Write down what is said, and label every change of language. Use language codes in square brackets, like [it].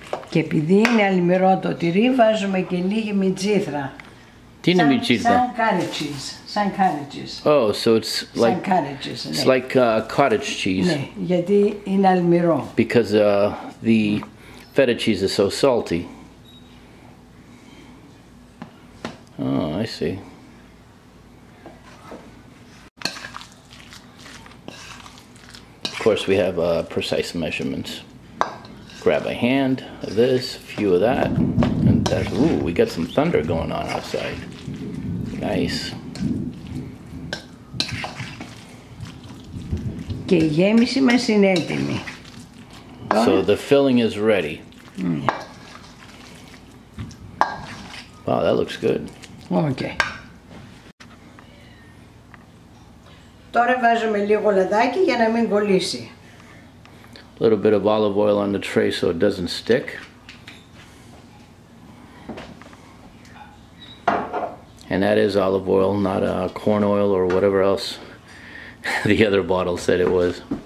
[el] Και επειδή είναι αλμυρό το τυρί, βάζουμε και λίγη μιτζίθρα. Τι είναι μιτζίθρα? Σαν κάνε [en] cheese. [el] Σαν κάνε cheese. [en] Oh, so it's like it's like cottage cheese. [el] Ναι, γιατί είναι αλμυρό. [en] Because the feta cheese is so salty. Oh, I see. Of course, we have precise measurements. Grab a hand of this, a few of that, and that's, ooh, we got some thunder going on outside. Nice. [el] Και η γέμιση μας είναι έτοιμη. [en] So the filling is ready. Wow, that looks good. Okay. [el] Τώρα βάζουμε λίγο λαδάκι για να μην κολλήσει. [en] A little bit of olive oil on the tray so it doesn't stick. And that is olive oil, not corn oil or whatever else the other bottle said it was.